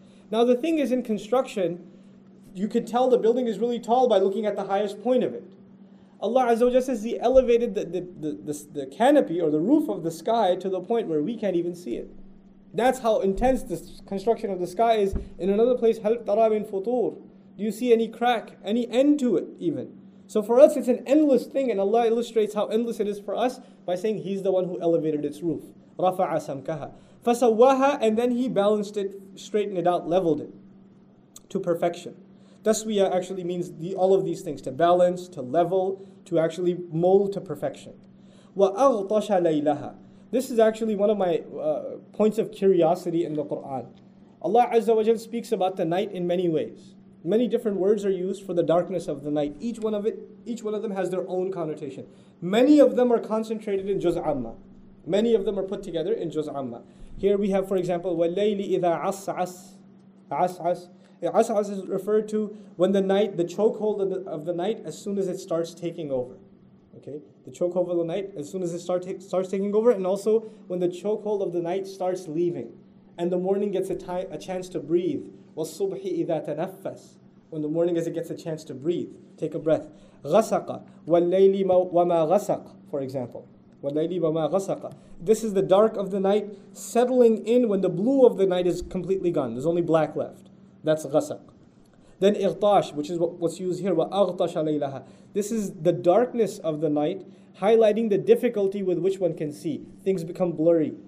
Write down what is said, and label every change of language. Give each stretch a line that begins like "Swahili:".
English: Now the thing is, in construction, you could tell the building is really tall by looking at the highest point of it. Allah Azza wa Jalla says he elevated the canopy or the roof of the sky to the point where we can't even see it. That's how intense this construction of the sky is. In another place,
Arabic: هَلْ تَرَى مِنْ فُطُورٍ.
English: Do you see any crack, any end to it even? So for us, it's an endless thing, and Allah illustrates how endless it is for us by saying He's the one who elevated its roof.
Arabic: رَفَعَ سَمْكَهَا فَسَوَّهَا.
English: And then He balanced it, straightened it out, leveled it to perfection. Taswiyah actually means all of these things, to balance, to level, to actually mold to perfection.
Arabic: وَأَغْطَشَ لَيْلَهَا.
English: This is actually one of my points of curiosity in the Qur'an. Allah Azza wa Jal speaks about the night in many ways. Many different words are used for the darkness of the night. Each one of them has their own connotation. Many of them are concentrated in Juz Amma. Many of them are put together in Juz Amma. Here we have, for example,
Arabic: وَاللَّيْلِ إِذَا عَصْعَصْ.
English: عَصْعَصْ is referred to when the night, the chokehold of the night, as soon as it starts taking over. Okay, the chokehold of the night, as soon as it starts taking over, and also when the chokehold of the night starts leaving, and the morning gets a chance to breathe.
Arabic: وَالصُّبْحِ إِذَا تَنَفَّسْ.
English: When the morning gets a chance to breathe, take a breath.
Arabic: غَسَقَ وَاللَّيْلِ وَمَا غَسَقَ,
English: for example.
Arabic: وَاللَّيْلِ وَمَا غَسَقَ.
English: This is the dark of the night settling in when the blue of the night is completely gone. There's only black left. That's غَسَق. Then إِغْطَاش, which is what's used here.
Arabic: وَأَغْطَشَ لَيْلَهَا.
English: This is the darkness of the night highlighting the difficulty with which one can see. Things become blurry.